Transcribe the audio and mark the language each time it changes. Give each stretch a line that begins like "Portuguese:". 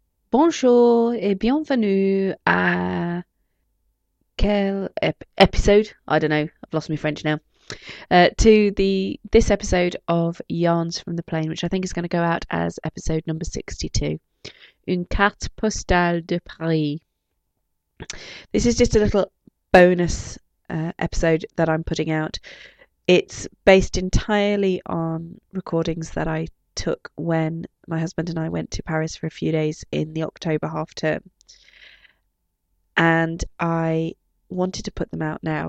French: Bonjour et bienvenue à quel episode?
English: I don't know. I've lost my French now. To this episode of Yarns from the Plane, which I think is going to go out as episode number 62.
French: Une carte postale de Paris.
English: This is just a little bonus episode that I'm putting out. It's based entirely on recordings that I took when my husband and I went to Paris for a few days in the October half term, and I wanted to put them out now.